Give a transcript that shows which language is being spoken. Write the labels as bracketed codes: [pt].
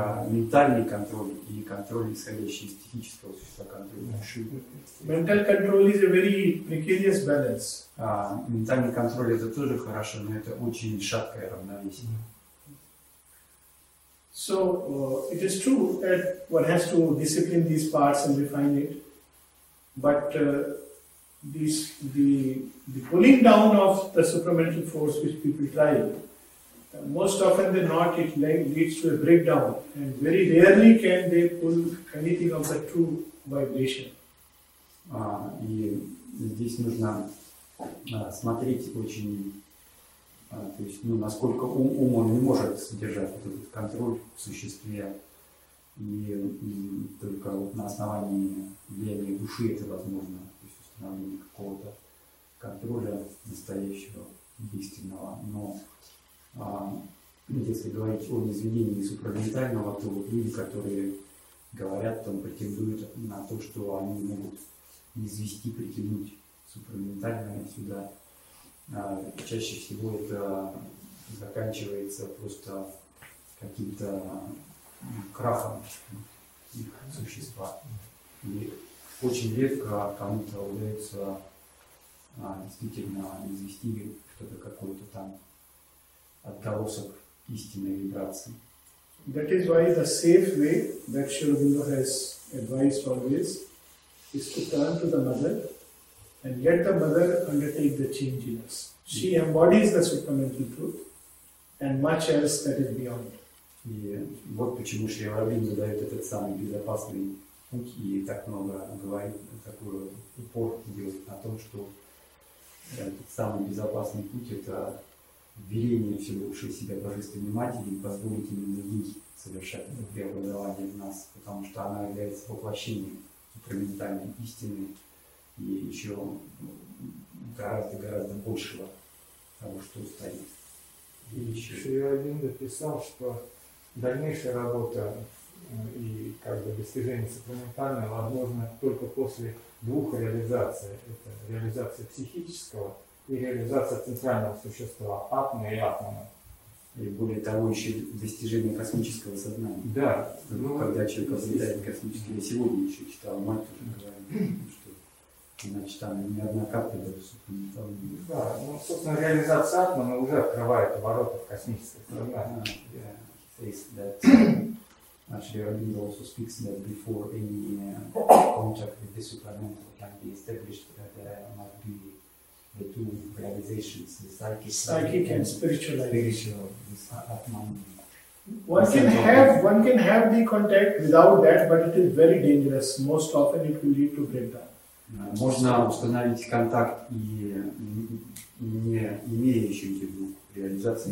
[ru] Ментальный контроль и контроль, исходящий из технического существа контроля. [en] Mental control is a very precarious balance. [ru] Ментальный контроль это тоже хорошо, но это очень шаткое равновесие. [en] So, it is true that one has to discipline these parts and refine it, but the pulling down of the supramental force which people try, most often than not it leads to a breakdown, and very rarely can they pull anything of the true vibration. [ru] И здесь нужно смотреть очень, то есть, ну, насколько ум он не может содержать вот этот контроль в существе, и только вот на основании влияния души это возможно, то есть установление какого-то контроля настоящего, действенного. Но если говорить о неизведении супраментального, то вот люди, которые говорят, там, претендуют на то, что они могут извести, притянуть супраментальное сюда, чаще всего это заканчивается просто каким-то крахом их существа. И очень редко кому-то удается действительно извести что-то, какой-то там отголосок истинной вибрации. [en] That is why the safe way that Sri Aurobindo has advised always is to turn to the mother and let the mother undertake the change in us. She embodies the supramental truth and much else that is beyond. [ru] И вот почему Шри Аурабинда дает этот самый безопасный путь и так много говорит, такой упор делает на том, что этот самый безопасный путь — это веление Вселебшей Себя Божественной Матери и позволить именно ей совершать это преобразование в нас, потому что она является воплощением супраментальной истины и еще гораздо-гораздо большего того, что стоит. И еще Шри Аурабинда писал, что дальнейшая работа и как бы достижение супраментального возможно только после двух реализаций. Это реализация психического и реализация центрального существа, атмы и атмана. И более того, еще достижение космического сознания. Да. Ну, когда человек возлетает здесь... космический, я сегодня еще читал, мать тоже говорит, что иначе там ни одна капля даже супраментального. Да, ну, собственно, реализация атмана уже открывает ворота в космическое сознание. [en] That actually Aurobindo also speaks that before any contact with the supramental can be established, that there might be the two realizations, the psychic and spiritual. Atman. One can have the contact without that, but it is very dangerous. Most often it will lead to breakdown. [ru] Можно установить контакт и не имеющий этих двух реализаций.